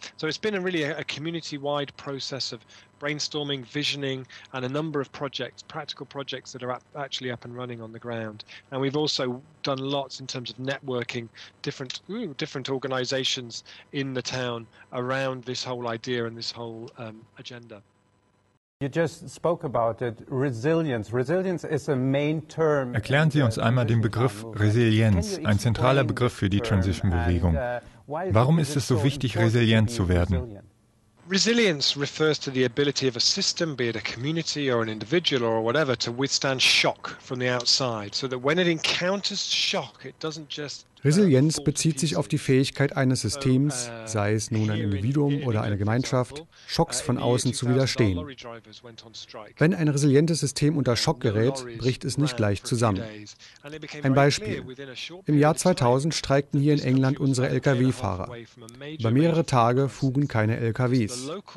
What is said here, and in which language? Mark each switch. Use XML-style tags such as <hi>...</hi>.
<en>So it's been a really community-wide process of brainstorming, visioning, and a number of projects, practical projects that are actually up and running on the ground. And we've also done lots in terms of networking different organizations in the town around this whole idea and this whole agenda. You just spoke about it. Resilience. Resilience is a main term.</en> <de>Erklären Sie uns einmal den Begriff Resilienz, ein zentraler Begriff für die Transition-Bewegung. Warum ist es so wichtig, resilient zu werden?</de> <en>Resilience refers to the ability of a system, be it a community or an individual or whatever, to withstand shock from the outside, so that when it encounters shock, it doesn't just.</en> <de>Resilienz bezieht sich auf die Fähigkeit eines Systems, sei es nun ein Individuum oder eine Gemeinschaft, Schocks von außen zu widerstehen. Wenn ein resilientes System unter Schock gerät, bricht es nicht gleich zusammen. Ein Beispiel. Im Jahr 2000 streikten hier in England unsere Lkw-Fahrer. Über mehrere Tage fuhren keine Lkws.</de>